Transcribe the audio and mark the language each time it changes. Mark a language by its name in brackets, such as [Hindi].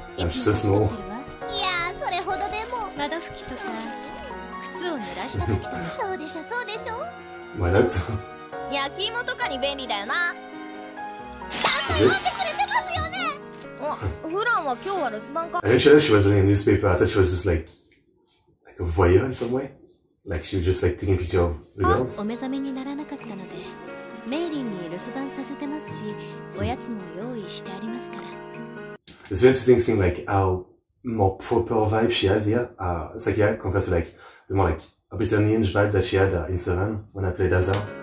[English] I'm so small. [Japanese] いやー、それほどでも。窓拭きとか、靴を濡らした時とか。そうでしょ、そうでしょ。まあ、なんと。焼き芋とかに便利だよな。ちゃんと読んでくれてますよね。あ、フランは今日は留守番か。 [English] I didn't show that she was reading a newspaper. I thought she was just like a voyeur in some way. Like she was just like taking pictures of the girls. [Japanese] お目覚めにならなかったので。メイリンに留守番させてますし、おやつも用意してありますから。 [English] It's very interesting seeing like how more proper vibe she has here. It's like, yeah, compared to like the more like a bit of ninja vibe that she had in 7 when I played Azar.